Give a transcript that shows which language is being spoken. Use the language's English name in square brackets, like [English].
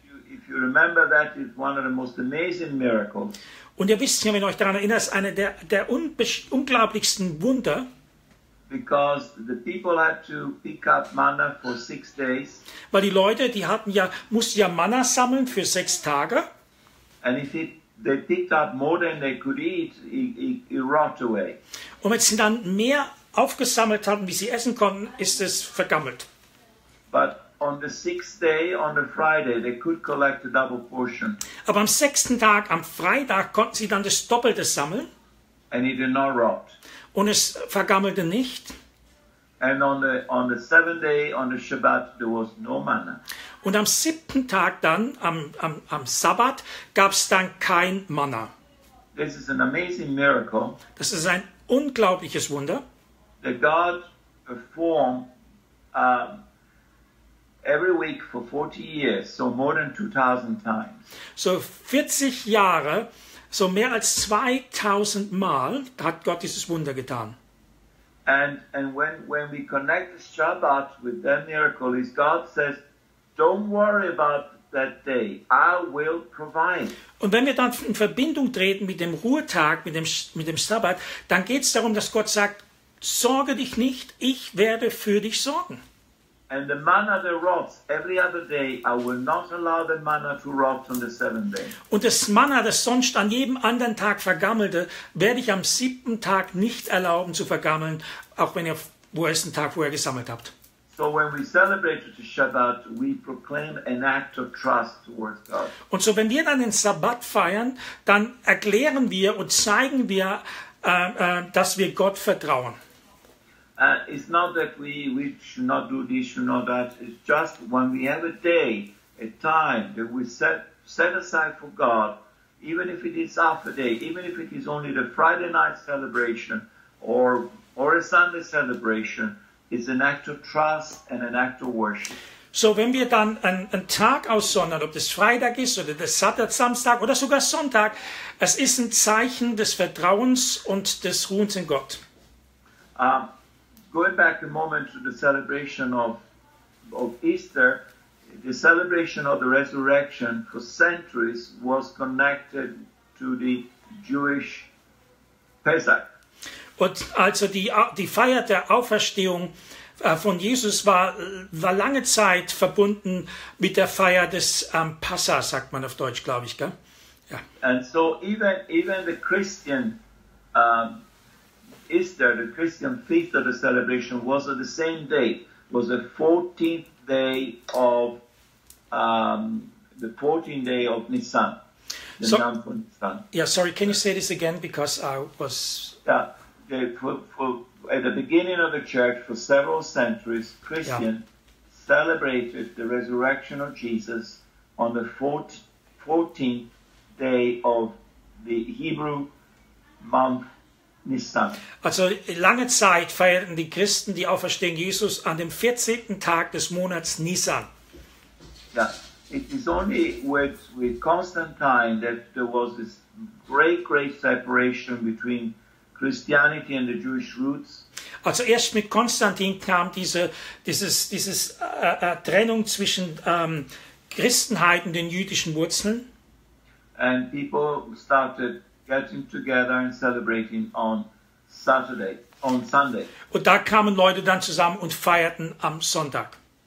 [English] If you remember, that is one of the most amazing miracles. [German] Und ihr wisst ja, wenn ihr euch daran erinnert, ist eine der unglaublichsten Wunder. [English] Because the people had to pick up manna for 6 days. [German] Weil die Leute, die hatten ja, mussten ja Manna sammeln für 6 Tage. [English] And if they picked up more than they could eat, it rot away. [German] Und wenn sie dann mehr aufgesammelt hatten, wie sie essen konnten, ist es vergammelt. [English] But on the 6th day, on the Friday, they could collect a double portion. [German] Aber am 6. Tag, am Freitag, konnten sie dann das Doppelte sammeln. [English] And it did not rot. [German] Und es vergammelte nicht. [English] And on the 7th day, on the Shabbat, there was no manna. [German] Und am 7. Tag dann, am Sabbat, gab es dann kein Manna. [English] This is an amazing miracle. [German] Das ist ein unglaubliches Wunder. [English] That God performed every week for 40 years, so more than 2,000 times. [German] So 40 Jahre, so mehr als 2,000 Mal hat Gott dieses Wunder getan. [English] And when we connect the Shabbat with that miracle, is God says, don't worry about that day. I will provide. [German] Und wenn wir dann in Verbindung treten mit dem Ruhetag, mit dem Sabbat, dann geht es darum, dass Gott sagt, sorge dich nicht, ich werde für dich sorgen. [English] And the manna that rots every other day, I will not allow the manna to rot on the 7th day. [German] Und das Manna, das sonst an jedem anderen Tag vergammelte, werde ich am 7. Tag nicht erlauben zu vergammeln, auch wenn ihr wo es einen Tag vorher gesammelt habt. [English] So when we celebrate the Shabbat, we proclaim an act of trust towards God. [German] Und so wenn wir dann den Sabbat feiern, dann erklären wir und zeigen wir, dass wir Gott vertrauen. [English] It's not that we should not do this, should not that. It's just when we have a day, a time that we set aside for God, even if it is half a day, even if it is only the Friday night celebration or a Sunday celebration, is an act of trust and an act of worship. [German] So wenn wir dann einen Tag aussondern, ob das Freitag ist oder das Sabbat, Samstag oder sogar Sonntag, es ist ein Zeichen des Vertrauens und des Ruhens in Gott. [English] Going back a moment to the celebration of Easter, the celebration of the resurrection for centuries was connected to the Jewish Pesach. [German] Und also die Feier der Auferstehung von Jesus war lange Zeit verbunden mit der Feier des Passa, sagt man auf Deutsch, glaube ich, gell? [English] Ja. And so even the Christian Easter, the Christian feast of the celebration, was on the same day. It was the 14th day of Nisan. Can you say this again? Because I was... At the beginning of the church, for several centuries, Christians celebrated the resurrection of Jesus on the 14th day of the Hebrew month Nisan. [German] Also, lange Zeit feierten die Christen die Auferstehung Jesus an dem 14. Tag des Monats Nisan. [English] It is only with Constantine that there was this great separation between Christianity and the Jewish roots. [German] Also erst mit Konstantin kam Trennung zwischen Christenheit und den jüdischen Wurzeln. [English] And people started getting together and celebrating on Sunday. [German] Und da kamen Leute dann zusammen und feierten am Sonntag.